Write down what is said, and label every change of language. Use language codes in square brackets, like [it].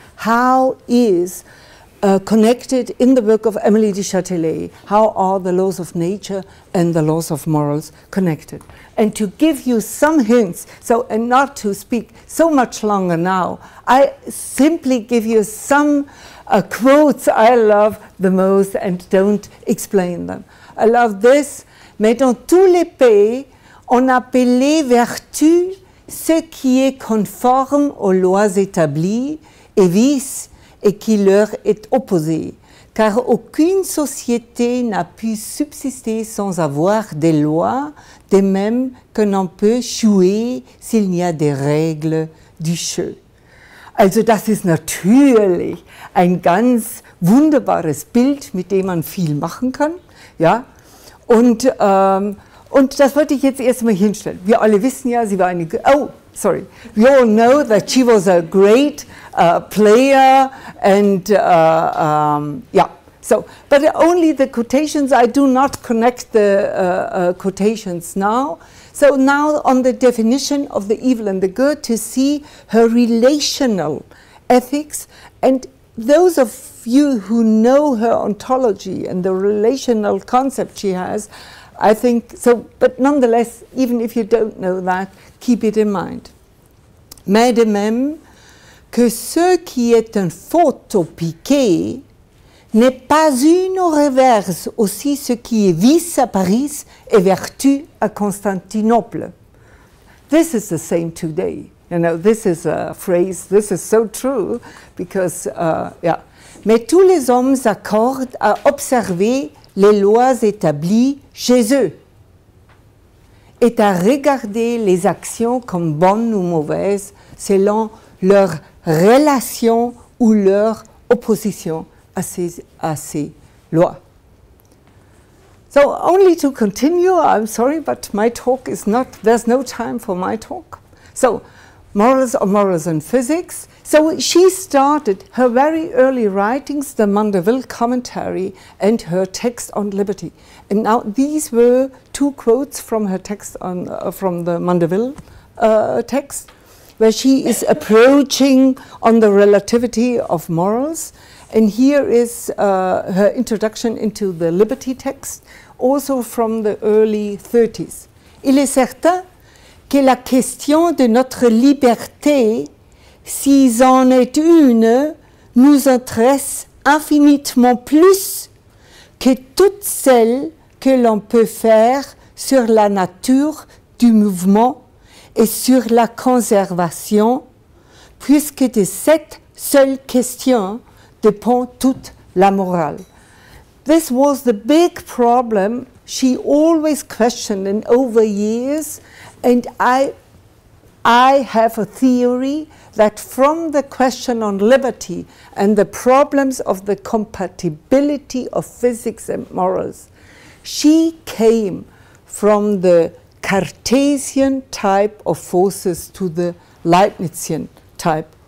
[en] How is connected in the work of Émilie de Châtelet, how are the laws of nature and the laws of morals connected? And to give you some hints, so and not to speak so much longer now, I simply give you some quotes I love the most and don't explain them. [fr] I love this: mais dans tous les pays, on appelait vertu ce qui est conforme aux lois établies et vice et qui leur est opposé, car aucune société n'a pu subsister sans avoir des lois, de même que n'en peut jouer s'il n'y a des règles du jeu. [de] Also das ist natürlich ein ganz wunderbares Bild, mit dem man viel machen kann. Ja? Und das wollte ich jetzt erstmal hinstellen. Wir alle wissen ja, sie war eine... [en] Oh, sorry. We all know that she was a great player and... But only the quotations, I do not connect the quotations now. So now on the definition of the evil and the good, to see her relational ethics. And those of you who know her ontology and the relational concept she has, I think so, but nonetheless, even if you don't know that, keep it in mind. [fr] Mais de même que ce qui est un faute au piqué n'est pas une au reverse aussi ce qui est vice à Paris et vertu à Constantinople. [en] This is the same today. You know, this is a phrase, this is so true, because, yeah. [fr] Mais tous les hommes accordent à observer les lois établies chez eux et à regarder les actions comme bonnes ou mauvaises selon leur relation ou leur opposition à ces lois. [en] So only to continue, I'm sorry, but my talk is not, there's no time for my talk. So morals or morals and physics. So she started her very early writings, the Mandeville commentary and her text on liberty. And now these were two quotes from her text on from the Mandeville text, where she is approaching on the relativity of morals. And here is her introduction into the liberty text, also from the early 30s. [fr] Il est certain que la question de notre liberté, si en est une, nous intéresse infiniment plus que toutes celles que l'on peut faire sur la nature du mouvement et sur la conservation, puisque de cette seule question dépend toute la morale. [en] This was the big problem she always questioned in over years, and I have a theory that from the question on liberty and the problems of the compatibility of physics and morals, she came from the Cartesian type of forces to the Leibnizian type